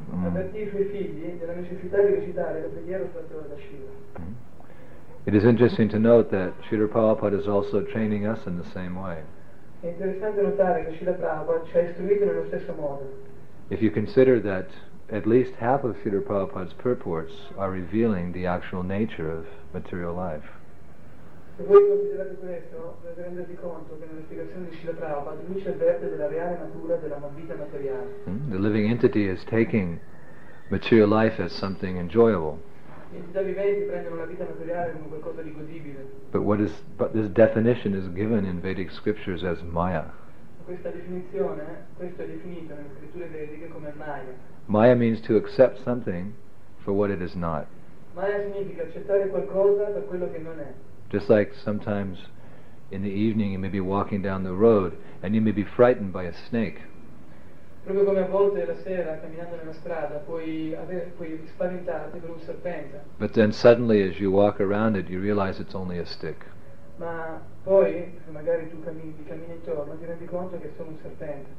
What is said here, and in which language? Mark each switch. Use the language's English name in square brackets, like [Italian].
[Italian] Avvertì i suoi figli della necessità di recitare la preghiera fatta da Shiva. [English] It is interesting to note that Srila Prabhupada is also training us in the same way. [Italian] È interessante notare che Srila Prabhupada ci ha istruito nello stesso modo. [English] If you consider that at least half of Srila Prabhupada's purports are revealing the actual nature of material life. [Italian] Se voi considerate questo, dovete rendervi conto che nella spiegazione di Srila Prabhupada lui ci avverte della reale natura della vita materiale. [English] The living entity is taking material life as something enjoyable. [Italian] Le entità viventi prendono la vita materiale come qualcosa di godibile. [English] But this definition is given in Vedic scriptures as Maya. [Italian] Questo è definito nelle scritture vediche come Maya. [English] Maya means to accept something for what it is not. [Italian] Maya significa accettare qualcosa per quello che non è. [English] Just like sometimes in the evening you may be walking down the road and you may be frightened by a snake. [Italian] Proprio come a volte la sera camminando nella strada puoi spaventarti per un serpente. [English] But then suddenly as you walk around it you realize it's only a stick. [Italian] Ma poi se magari tu cammini intorno ti rendi conto che è solo un serpente.